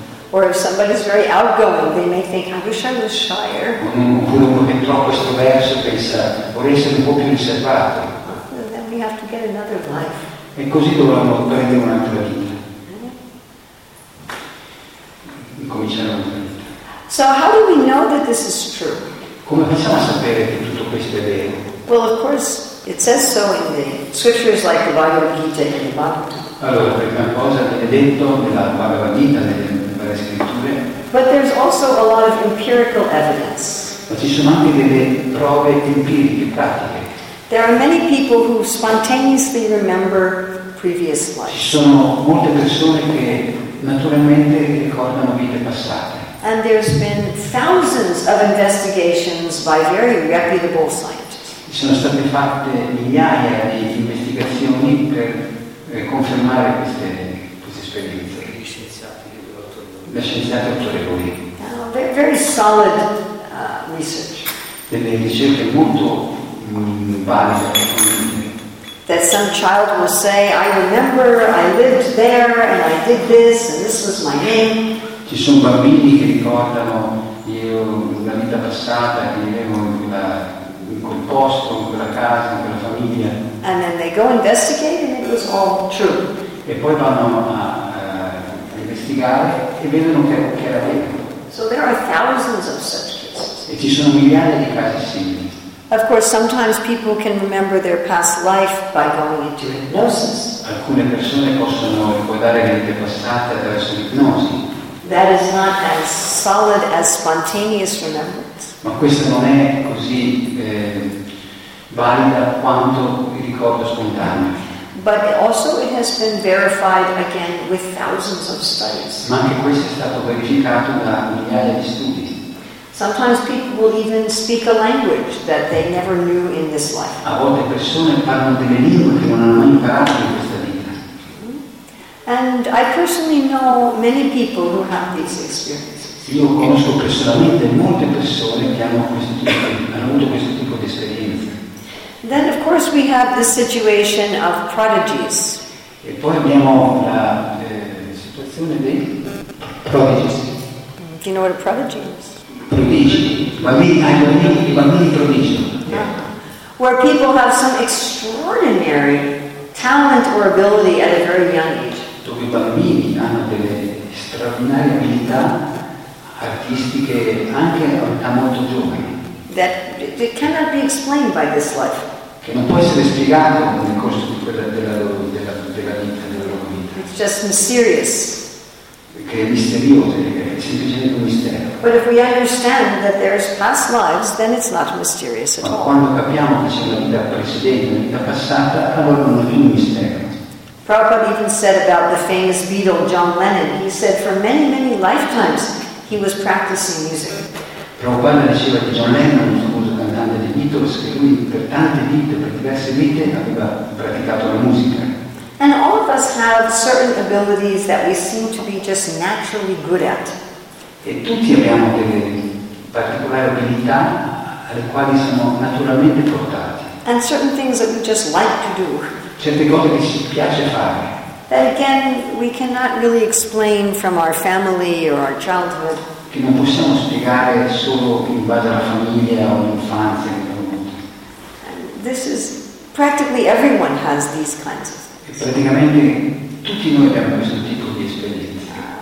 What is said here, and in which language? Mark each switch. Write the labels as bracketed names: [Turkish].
[English] Or if somebody's very outgoing, they may think, I wish I was shyer. [Italian] Oppure uno che è troppo estroverso pensa, vorrei essere un po' più riservato. [English] Well, then we have to get another life. [Italian] E così dovremmo prendere un'altra vita. Incominciare un'altra vita. [English] So how do we know that this is true? [Italian] Come facciamo a sapere che tutto questo è vero? [English] Well, of course, it says so in the scriptures like the Bhagavad Gita and the Bhagavad. [Italian] Allora, la prima cosa viene detto nella Bhagavad Gita, nelle varie scritture. [English] But there's also a lot of empirical evidence. [Italian] Ma ci sono anche delle prove empiriche, pratiche. [English] There are many people who spontaneously remember previous lives. [Italian] Ci sono molte persone che naturalmente ricordano vite passate. [English] And there's been thousands of investigations by very reputable scientists. [Italian] Sono state fatte migliaia di investigazioni per confermare queste esperienze. Le scienziate autorevoli. [English] Very solid research. [Italian] Delle ricerche molto valide. [English] That some child will say, I remember I lived there and I did this and this was my name. [Italian] Ci sono bambini che ricordano io la vita passata, che vivevo in quel posto, in quella casa, in quella famiglia. [English] And then they go investigate and it was all true. [Italian] E poi vanno a investigare e vedono che era vero. [English] So there are thousands of such cases. [Italian] E ci sono migliaia di casi simili. [English] Of course, sometimes people can remember their past life by going into hypnosis. [Italian] Alcune persone possono ricordare le vite passate attraverso l'ipnosi. [English] That is not as solid as spontaneous remembrance. [Italian] Ma questa non è così valida quanto il ricordo spontaneo. [English] But also it has been verified again with thousands of studies. [Italian] Ma anche questo è stato verificato da migliaia di studi. [English] Sometimes people will even speak a language that they never knew in this life. [Italian] A volte persone parlano delle lingue che non hanno mai imparato in questa vita. [English] And I personally know many people who have these experiences. [Italian] Io conosco personalmente molte persone che hanno avuto questo tipo di esperienze. [English] Then of course we have the situation of prodigies. [Italian] E poi abbiamo la situazione dei prodigi. [English] Do you know what a prodigy is? [Italian] Prodigi, bambini prodigi. [English] Where people have some extraordinary talent or ability at a very young age. [Italian] Dove i bambini hanno delle straordinarie abilità artistiche anche a molto giovani. [English] That cannot be explained by this life. [Italian] Che non può essere spiegato nel corso di quella della vita, della loro vita. [English] It's just mysterious. [Italian] Che è misterioso, che è semplicemente un mistero. [English] But if we understand that there's past lives, then it's not mysterious at all. [Italian] Ma quando capiamo che c'è una vita precedente, una vita passata, allora non è più un mistero. [English] Prabhupada even said about the famous Beatle, John Lennon, he said for many, many lifetimes he was practicing music. [Italian] Prabhupada diceva che John Lennon, un famoso cantante dei Beatles, che lui per tante vite, per diverse vite, aveva praticato la musica. [English] And all of us have certain abilities that we seem to be just naturally good at. [Italian] E tutti abbiamo delle particolari abilità alle quali siamo naturalmente portati. [English] And certain things that we just like to do. [Italian] Certe cose che ci piace fare. [English] That again, we cannot really explain from our family or our childhood. [Italian] Che non possiamo spiegare solo in base alla famiglia o all'infanzia. [English] This is practically everyone has these kinds of things. [Italian] Praticamente tutti noi abbiamo questo tipo di esperienza.